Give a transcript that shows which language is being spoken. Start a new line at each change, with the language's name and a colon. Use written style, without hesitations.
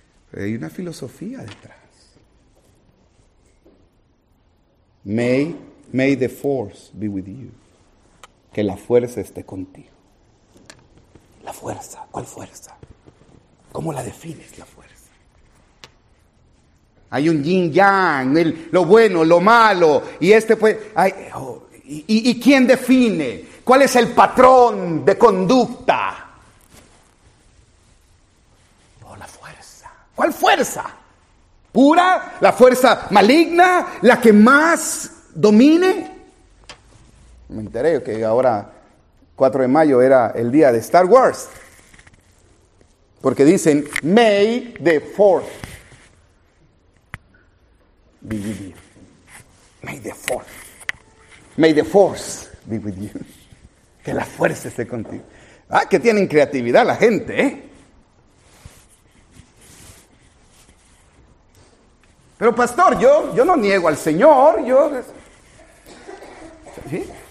Spanish: Pero hay una filosofía detrás.
English: May the force be with you.
Spanish: Que la fuerza esté contigo. La fuerza, ¿cuál fuerza? ¿Cómo la defines la fuerza? Hay un yin yang, lo bueno, lo malo, y este pues, ay, oh, y ¿quién define? ¿Cuál es el patrón de conducta? Oh, la fuerza. ¿Cuál fuerza? ¿Pura? ¿La fuerza maligna? ¿La que más domine? Me enteré que ahora, 4 de mayo, era el día de Star Wars. Porque dicen,
English: May the Force be with you. May the Force. May the Force be with you.
Spanish: Que la fuerza esté contigo. Ah, que tienen creatividad la gente, ¿eh? Pero pastor, yo no niego al Señor, yo... ¿Sí?